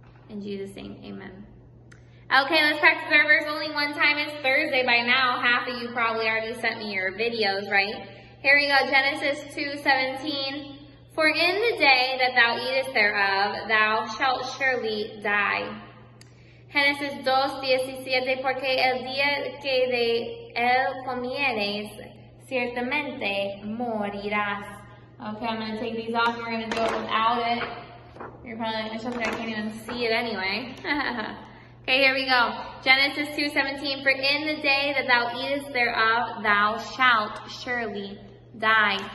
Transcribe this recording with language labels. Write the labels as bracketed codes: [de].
[en] In Jesus' name, amen. Okay, let's practice our verse only one time. It's Thursday by now. Half of you probably already sent me your videos, right? Here we go, Genesis 2:17. For in the day that thou eatest thereof, thou shalt surely die. [es] Genesis 2:17, porque el día que de él comieres, ciertamente morirás. [en] Okay, I'm going to take these off. We're going to do it without it. You're probably like, it's okay, I can't even see it anyway. Okay, here we go. Genesis 2:17, for in the day that thou eatest thereof, thou shalt surely die.